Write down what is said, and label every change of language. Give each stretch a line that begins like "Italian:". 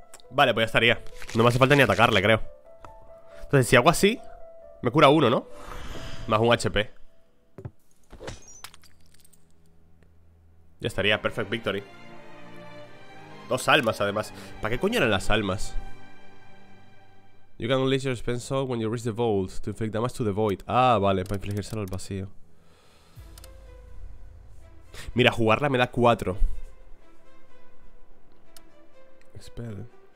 Spanish: Vale, pues ya estaría. No me hace falta ni atacarle, creo. Entonces, si hago así, me cura uno, ¿no? Más un HP. Ya estaría,
English: perfect victory.
Spanish: Dos almas, además. ¿Para qué coño eran las almas?
English: You can unleash your spell soul when you reach the vault to inflict damage to the void.
Spanish: Ah, vale, para infligírselo al vacío. Mira, jugarla me da 4.
English: Spell.